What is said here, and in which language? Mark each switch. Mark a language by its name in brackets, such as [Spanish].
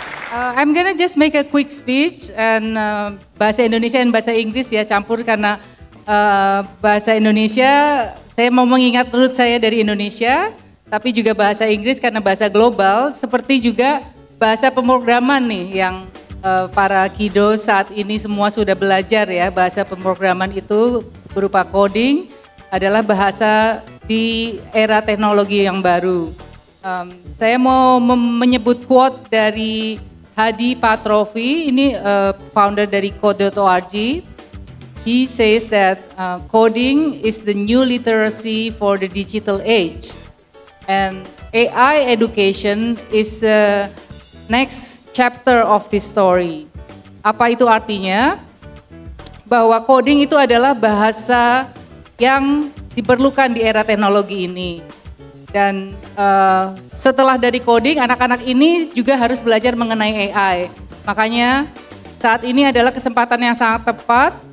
[English] I'm gonna just make a quick speech and [Indonesian] bahasa Indonesia dan bahasa Inggris ya campur karena bahasa Indonesia saya mau mengingat root saya dari Indonesia, tapi juga bahasa Inggris karena bahasa global, seperti juga bahasa pemrograman nih yang para kido saat ini semua sudah belajar ya, bahasa pemrograman itu berupa coding adalah bahasa di era teknologi yang baru. Saya mau menyebut quote dari Hadi Patrofi, ini founder dari code.org. [English] He says that coding is the new literacy for the digital age. And AI education is the next chapter of this story. [Indonesian] Apa itu artinya? Bahwa coding itu adalah bahasa yang diperlukan di era teknologi ini. Dan setelah dari coding, anak-anak ini juga harus belajar mengenai AI. Makanya saat ini adalah kesempatan yang sangat tepat